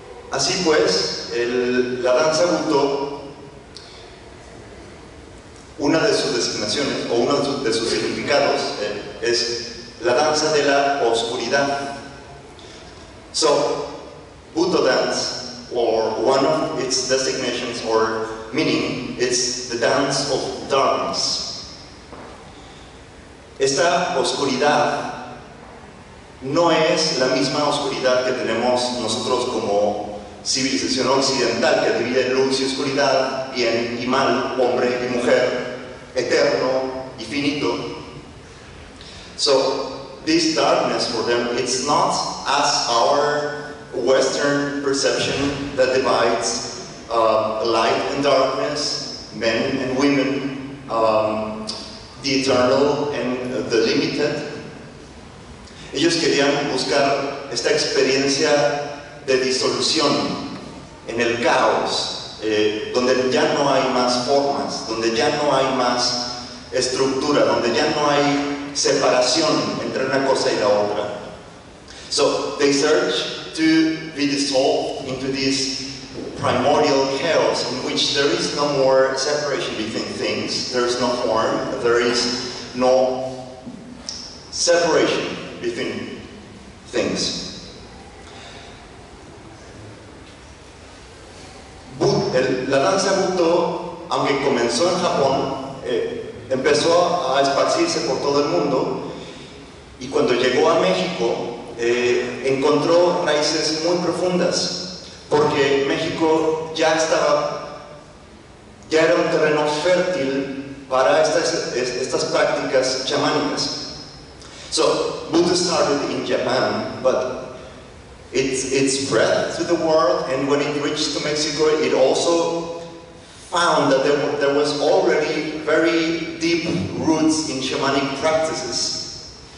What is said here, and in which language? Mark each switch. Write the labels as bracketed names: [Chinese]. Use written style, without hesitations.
[Spanish] Así pues, la danza buto, una de sus designaciones o uno de sus significados es la danza de la oscuridad. [English] So, buto dance, or one of its designations or meaning, it's the dance of darkness. [Spanish] Esta oscuridad no es la misma oscuridad que tenemos nosotros como civilización occidental, que divide luz y oscuridad, bien y mal, hombre y mujer, eterno y finito. [English] So, this darkness for them, it's not as our Western perception that divides light and darkness, men and women, the eternal and the limited. [Spanish] Ellos querían buscar esta experiencia de disolución en el caos, donde ya no hay más formas, donde ya no hay más estructura, donde ya no hay separación entre una cosa y la otra. [English] So they search to be dissolved into this primordial chaos in which there is no more separation between things, there is no form, there is no separation between things. [Spanish] La danza buto, aunque comenzó en Japón, empezó a esparcirse por todo el mundo, y cuando llegó a México encontró raíces muy profundas, porque México ya era un terreno fértil para estas prácticas chamánicas. [English] So, buto started in Japan, but it spread to the world, and when it reached to Mexico, it also found that there was already very deep roots in shamanic practices.